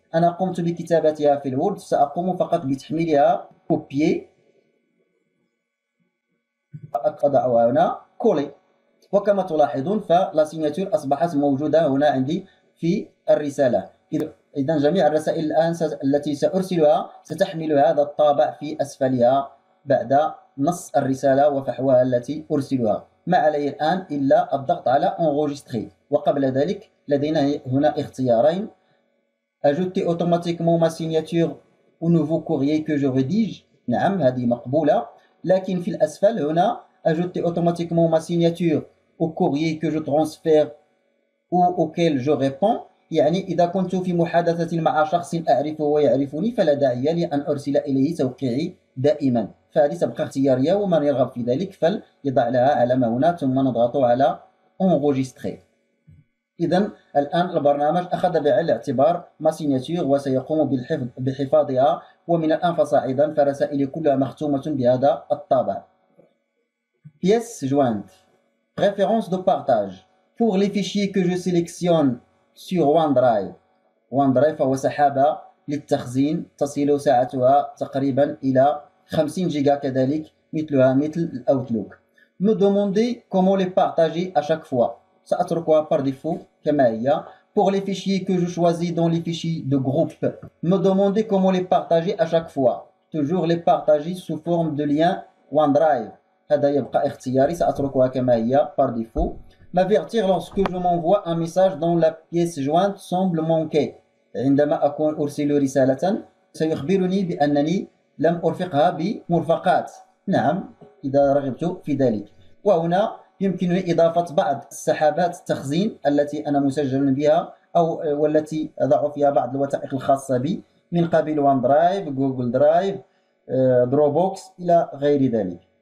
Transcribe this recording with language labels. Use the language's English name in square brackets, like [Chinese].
[Arabic] أنا قمت بكتابتها في الوورد، سأقوم فقط بتحميلها كوبي، أضعها هنا كولي، وكما تلاحظون فلا سيناتور أصبحت موجودة هنا عندي في الرسالة. إذا جميع الرسائل الآن التي سأرسلها ستحمل هذا الطابع في أسفلها بعد نص الرسالة وفحوها التي أرسلها. ما علي الآن إلا الضغط على Enregistrer، وقبل ذلك لدينا هنا اختيارين، [French] ajouter automatiquement ma signature au nouveau courrier que je rédige. [Arabic] نعم هذه مقبولة. لكن في الأسفل هنا [French] ajouter automatiquement ma signature au courrier que je transfère ou auquel je réponds. [Arabic] يعني إذا كنت في محادثة مع شخص أعرفه ويعرفني فلا داعي لي أن أرسل إليه توقيعي دائما. فهذه تبقى اختيارية ومن يرغب في ذلك فليضع لها علامة هنا ثم نضغط على Enregistrer. إذا الآن البرنامج أخذ بعين الاعتبار ما سيناتور وسيقوم بالحفظ بحفاظها ومن الآن فصاعدا فرسائلي كلها مختومة بهذا الطابع. [French] Pièce jointe. Préférence de partage. Pour les fichiers que je sélectionne sur OneDrive. [Arabic] OneDrive هو سحابة للتخزين تصل ساعتها تقريبا إلى 50 جيجا كذلك مثلها مثل الأوتلوك. [French] Me demander comment les partager à chaque fois. [Arabic] سأتركها [French] par défaut [Arabic] كما هي. [French] Pour les fichiers que je choisis dans les fichiers de groupe. Me demander comment les partager à chaque fois. Toujours les partager sous forme de lien OneDrive. [Arabic] هذا يبقى اختياري سأتركها كما هي [French] par défaut. M'avertir lorsque je m'envoie un message dans la pièce jointe semble manquer. [Arabic] عندما أكون أرسل رسالة سيخبرني بأنني لم أرفقها بمرفقات. نعم إذا رغبت في ذلك. وهنا يمكنني إضافة بعض السحابات التخزين التي أنا مسجل بها أو والتي أضع فيها بعض الوثائق الخاصة بي من قبل وان درايف، جوجل درايف، دروبوكس إلى غير ذلك.